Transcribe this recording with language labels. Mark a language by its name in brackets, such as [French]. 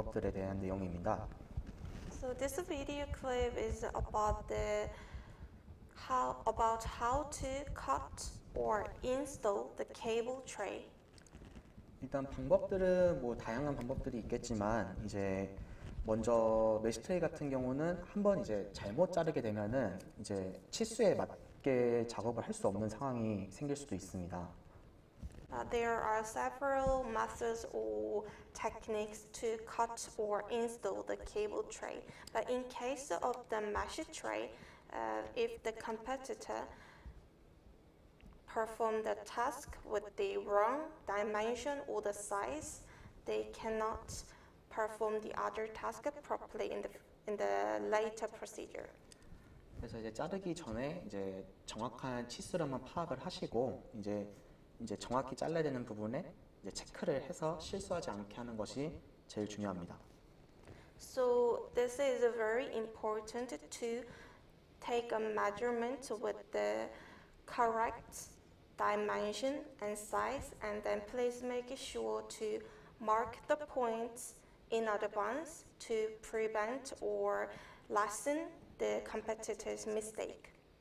[English] So this video clip is about how to cut or install the cable tray. [Korean] 일단 방법들은 뭐 다양한 방법들이 있겠지만 이제 먼저 메쉬 트레이 같은 경우는 한번 이제 잘못 자르게 되면은 이제 치수에 맞게 작업을 할 수 없는 상황이 생길 수도 있습니다. [English] There are several methods or techniques to cut or install the cable tray. But in case of the mesh tray, if the competitor performed the task with the wrong dimension or the size, they cannot perform the other task properly in the later procedure. [Korean] 그래서 이제 자르기 전에 이제 정확한 치수로만 파악을 하시고 이제 정확히 잘라야 되는 부분에 이제 체크를 해서 실수하지 않게 하는 것이 제일 중요합니다. [English] So this is very important to take a measurement with the correct dimension and size, and then please make sure to mark the points in advance to prevent or lessen the competitor's mistake.